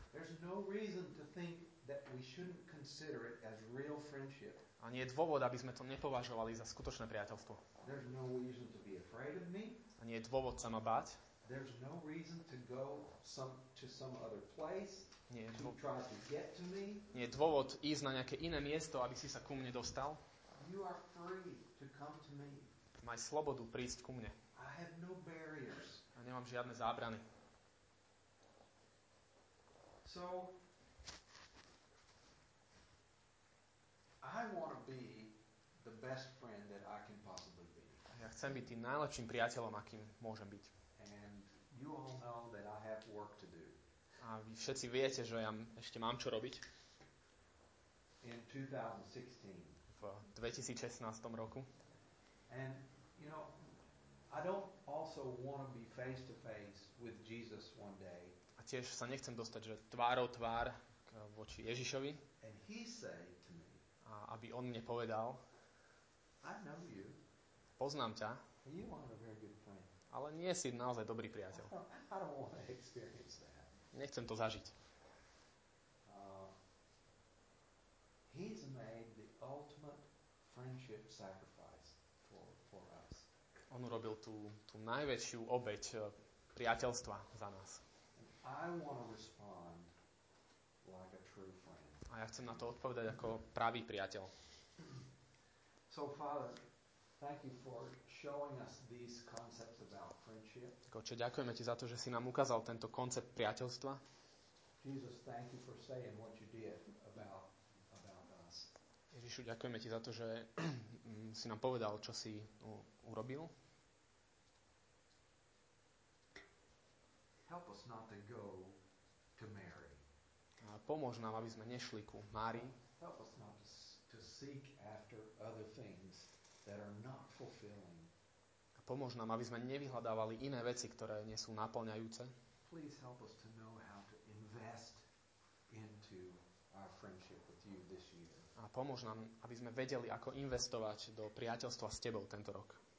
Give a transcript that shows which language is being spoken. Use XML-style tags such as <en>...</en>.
<en>There's no reason to think that we shouldn't consider it as real friendship.</en> <sk>A nie je dôvod, aby sme to nepovažovali za skutočné priateľstvo.</sk> <en>There's no reason to be afraid of me.</en> <sk>A nie je dôvod sa ma báť.</sk> <en>There's no reason to go to some other place.</en> <sk>Nie je</sk> <en>to try to get to me.</en> <sk>Nie je dôvod ísť na nejaké iné miesto, aby si sa ku mne dostal.</sk> <en>You are free to come to me.</en> <sk>Maj slobodu prísť ku mne.</sk> <en>I have no barriers.</en> <sk>A nemám žiadne zábrany.</sk> <en>So I want to be the best friend that I can possibly be.</en> <sk>Ja chcem byť tým najlepším priateľom, akým môžem byť.</sk> <en>And you all know that I have work to do.</en> <sk>A vy všetci viete, že ja ešte mám čo robiť.</sk> <en>In 2016.</en> <sk>V 2016. roku.</sk> <en>And you know, I don't also want to be face to face with Jesus one day.</en> <sk>A tiež sa nechcem dostať, že tvárou tvár k voči Ježišovi.</sk> <en>And he say to me,</en> <sk>a aby on mne povedal,</sk> <en>I know you.</en> <sk>Poznám ťa,</sk> <en>you aren't a very good friend.</en> <sk>Ale nie si naozaj dobrý priateľ.</sk> <en>I don't want to experience that.</en> <sk>Nechcem to zažiť.</sk> <en>He's made the ultimate friendship sacrifice for us.</en> <sk>On urobil tú najväčšiu obeť priateľstva za nás.</sk> <en>I want to respond like a true friend.</en> <sk>A ja chcem na to odpovedať ako pravý priateľ.</sk> <en>So Father, thank you for showing us these concepts about friendship.</en> <sk>Koče, ďakujeme ti za to, že si nám ukázal tento koncept priateľstva.</sk> <en>Jesus, thank you for saying what you did about us.</en> <sk>Ježišu, ďakujeme ti za to, že si nám povedal, čo si urobil.</sk> <en>Help us not to go to Mary.</en> <sk>A pomôž nám, aby sme nešli ku Márii.</sk> <en>Help us not to seek after other things that are not fulfilling.</en> <sk>A pomôž nám, aby sme nevyhľadávali iné veci, ktoré nie sú naplňajúce.</sk> <en>Please help us to know how to invest into our friendship with you this year.</en> <sk>A pomôž nám, aby sme vedeli, ako investovať do priateľstva s tebou tento rok.</sk>